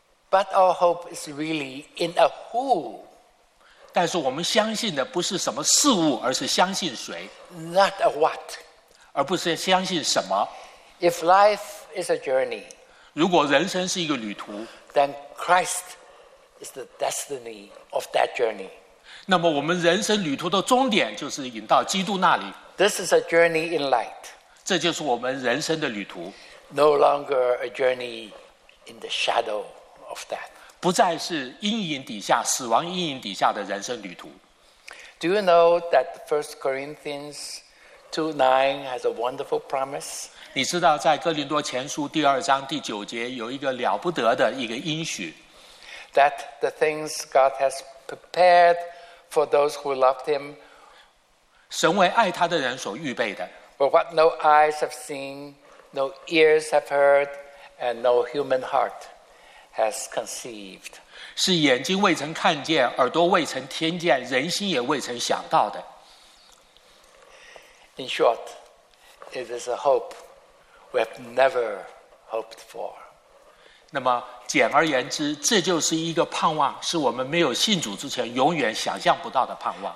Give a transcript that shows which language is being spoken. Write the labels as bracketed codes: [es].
[en] But our hope is really in a who. [zh] 但是我们相信的不是什么事物，而是相信谁。 [en] Not a what. [zh] 而不是相信什么。 [en] If life is a journey, [zh] 如果人生是一个旅途， [en] then Christ is the destiny of that journey. [zh] 那么我们人生旅途的终点就是引到基督那里。 [en] This is a journey in light. [zh] 这就是我们人生的旅途。 [en] No longer a journey in the shadow. [zh] 不再是阴影底下，死亡阴影底下的人生旅途。 [en] Do you know that 1 Corinthians 2:9 has a wonderful promise? [zh] 你知道在哥林多前书第二章第九节有一个了不得的一个应许。 [en] That the things God has prepared for those who loved Him, [zh] 神为爱他的人所预备的。 [en] For what no eyes have seen, no ears have heard, and no human heart. Has conceived. [zh] 是眼睛未曾看见，耳朵未曾听见，人心也未曾想到的。 [en] In short, it is a hope we have never hoped for. [zh] 那么简而言之，这就是一个盼望，是我们没有信主之前永远想象不到的盼望。